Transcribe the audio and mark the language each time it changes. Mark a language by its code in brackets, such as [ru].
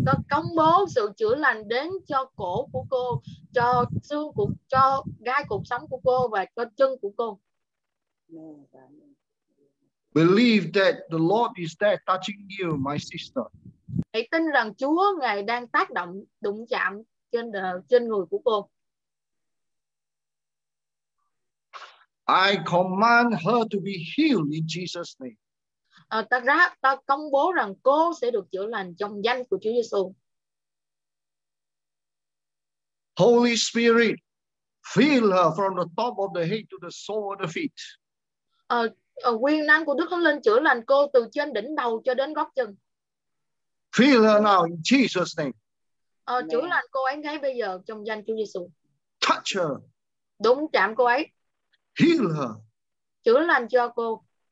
[vi] Công bố sự chữa lành đến cho cổ của cô, cho xương của, cho gai cột sống của cô và cho chân của cô. [en] Believe that the Lord is there touching you, my sister. [vi] Hãy tin rằng Chúa Ngài đang tác động, đụng chạm trên trên người của cô. [en] I command her to be healed in Jesus' name. [vi] Ta công bố rằng cô sẽ được chữa lành trong danh của Chúa Giêsu. [en] Holy Spirit, fill her from the top of the head to the sole of the feet. [vi] Quyền năng của Đức Thánh Linh chữa lành cô từ trên đỉnh đầu cho đến gót chân. [en] Feel her now in Jesus' name. [vi] Chữa lành cô ấy ngay bây giờ trong danh Chúa Giêsu. [en] Touch her. [vi] Đúng chạm cô ấy. [en] Heal her. [vi] Chữa lành cho cô.